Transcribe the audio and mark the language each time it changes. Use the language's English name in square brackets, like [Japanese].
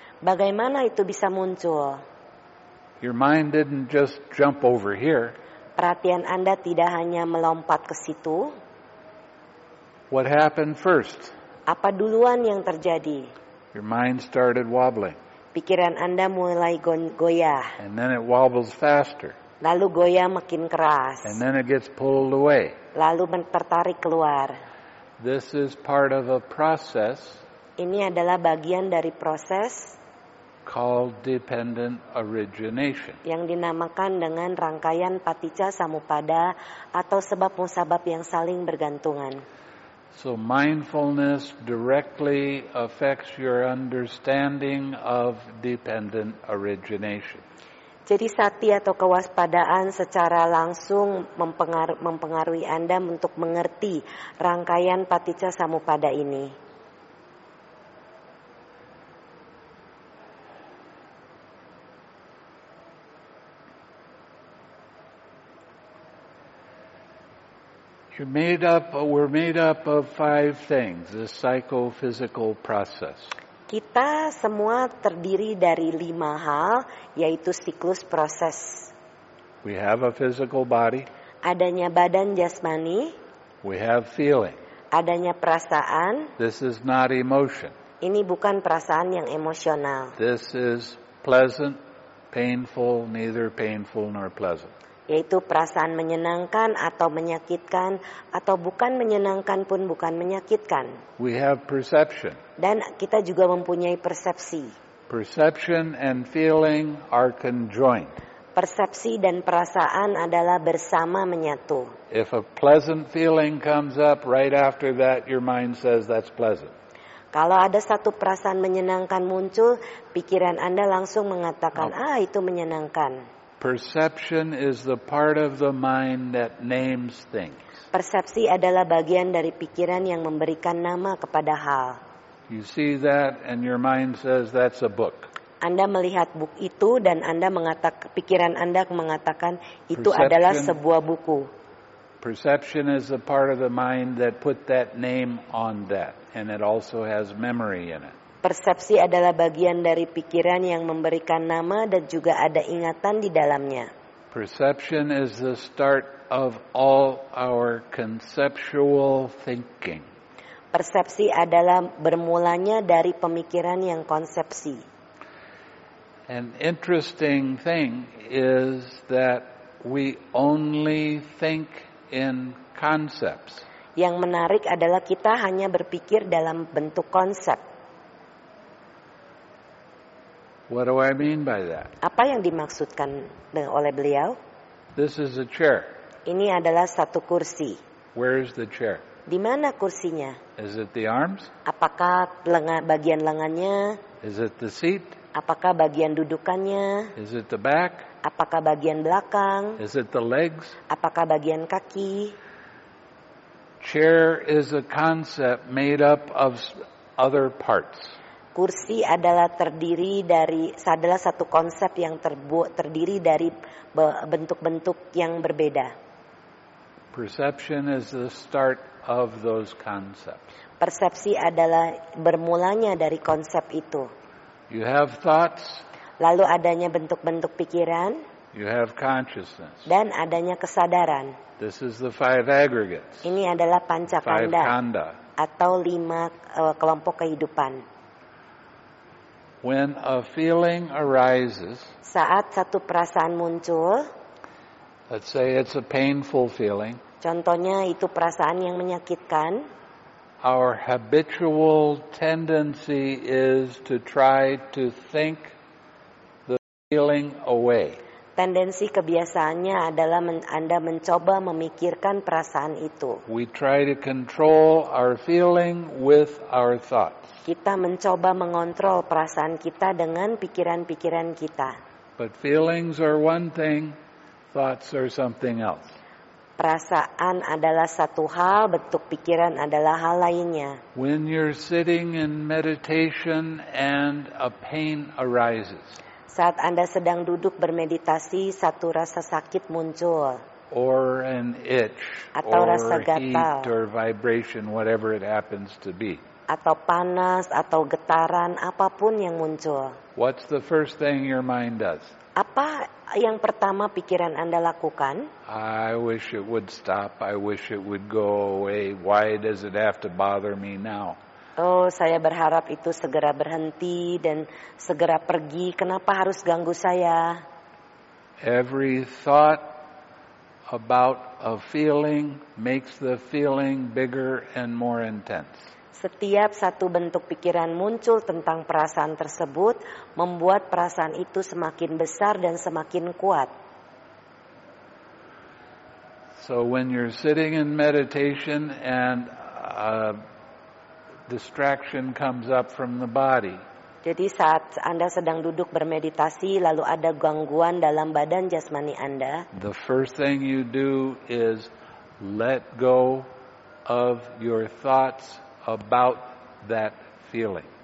[Indonesian] Bagaimana itu bisa muncul? [English] Your mind didn't just jump over here. [Indonesian] Perhatian Anda tidak hanya melompat ke situ. [English] What happened first? [Indonesian] Apa duluan yang terjadi? [English] Your mind started wobbling. [Indonesian] Pikiran Anda mulai goyah. [English] And then it wobbles faster. [Indonesian] Lalu goyah makin keras. [English] And then it gets pulled away. [Indonesian] Lalu tertarik keluar. [English] This is part of a process. [Indonesian] Ini adalah bagian dari proses [English] called dependent origination. [Indonesian] Yang dinamakan dengan rangkaian paticca samuppada atau sebab musabab yang saling bergantungan. [English] So mindfulness directly affects your understanding of dependent origination. [Indonesian] Jadi sati atau kewaspadaan secara langsung mempengaruhi Anda untuk mengerti rangkaian paticca samuppada ini. [English] We're made up of five things, the psychophysical process. [Indonesian] Kita semua terdiri dari lima hal, yaitu siklus proses. [English] We have a physical body. [Indonesian] Adanya badan jasmani. [English] We have feeling. [Indonesian] Adanya perasaan. [English] This is not emotion. [Indonesian] Ini bukan perasaan yang emosional. [English] This is pleasant, painful, neither painful nor pleasant. [Indonesian] Yaitu perasaan menyenangkan atau menyakitkan, atau bukan menyenangkan pun bukan menyakitkan. [English] We have perception. [Indonesian] Dan kita juga mempunyai persepsi. [English] Perception and feeling are conjoined. [Indonesian] Persepsi dan perasaan adalah bersama menyatu. [English] If a pleasant feeling comes up right after that, your mind says that's pleasant. [Indonesian] Kalau ada satu perasaan menyenangkan muncul, pikiran Anda langsung mengatakan, ah, itu menyenangkan. [English] Perception is the part of the mind that names things. [Indonesian] Persepsi adalah bagian dari pikiran yang memberikan nama kepada hal. [English] You see that and your mind says that's a book. [Indonesian] Anda melihat buku itu dan Anda mengatakan, pikiran Anda mengatakan itu adalah sebuah buku. [English] Perception is the part of the mind that put that name on that, and it also has memory in it. [Indonesian] Persepsi adalah bagian dari pikiran yang memberikan nama dan juga ada ingatan di dalamnya. [English] Perception is the start of all our conceptual thinking. [Indonesian] Persepsi adalah bermulanya dari pemikiran yang konsepsi. [English] An interesting thing is that we only think in concepts. [Indonesian] Yang menarik adalah kita hanya berpikir dalam bentuk konsep. [English] What do I mean by that? [Indonesian] Apa yang dimaksudkan oleh beliau? [English] This is a chair. [Indonesian] Ini adalah satu kursi. [English] Where is the chair? [Indonesian] Di mana kursinya? [English] Is it the arms? [Indonesian] Apakah bagian lengannya? [English] Is it the seat? [Indonesian] Apakah bagian dudukannya? [English] Is it the back? [Indonesian] Apakah bagian belakang? [English] Is it the legs? [Indonesian] Apakah bagian kaki? [English] Chair is a concept made up of other parts. [Indonesian] Kursi adalah terdiri dari adalah satu konsep yang terdiri dari bentuk-bentuk yang berbeda. [English] Perception is the start of those concepts. [Indonesian] Persepsi adalah bermulanya dari konsep itu. [English] You have thoughts. [Indonesian] Lalu adanya bentuk-bentuk pikiran. [English] You have consciousness. [Indonesian] Dan adanya kesadaran. [English] This is the five aggregates. [Indonesian] Ini adalah pancakanda. [English] Five khanda. [Indonesian] Atau lima kelompok kehidupan. [English] When a feeling arises, [Indonesian] saat satu perasaan muncul, [English] let's say it's a painful feeling, [Indonesian] contohnya itu perasaan yang menyakitkan, [English] our habitual tendency is to try to think the feeling away. [Indonesian] Tendensi kebiasaannya adalah Anda mencoba memikirkan perasaan itu. [English] We try to control our feeling with our thoughts. [Indonesian] Kita mencoba mengontrol perasaan kita dengan pikiran-pikiran kita. [English] But feelings are one thing, thoughts are something else. [Indonesian] Perasaan adalah satu hal, bentuk pikiran adalah hal lainnya. [English] When you're sitting in meditation and a pain arises. [Indonesian] Saat Anda sedang duduk bermeditasi, satu rasa sakit muncul. [English] Or an itch. [Indonesian] Atau or rasa gatal. [English] Heat or vibration, whatever it happens to be. [Indonesian] Atau panas atau getaran apapun yang muncul. [English] What's the first thing your mind does? [Indonesian] Apa yang pertama pikiran Anda lakukan? [English] I wish it would stop. I wish it would go away. Why does it have to bother me now? [Indonesian] Oh, saya berharap itu segera berhenti dan segera pergi. Kenapa harus ganggu saya? [English] Every thought about a feeling makes the feeling bigger and more intense. [Indonesian] Setiap satu bentuk pikiran muncul tentang perasaan tersebut membuat perasaan itu semakin besar dan semakin kuat. [English] So when you're sitting in meditation and a distraction comes up from the body. [Indonesian] Jadi saat Anda sedang duduk bermeditasi lalu ada gangguan dalam badan jasmani Anda. [English] The first thing you do is let go of your thoughts about that feeling.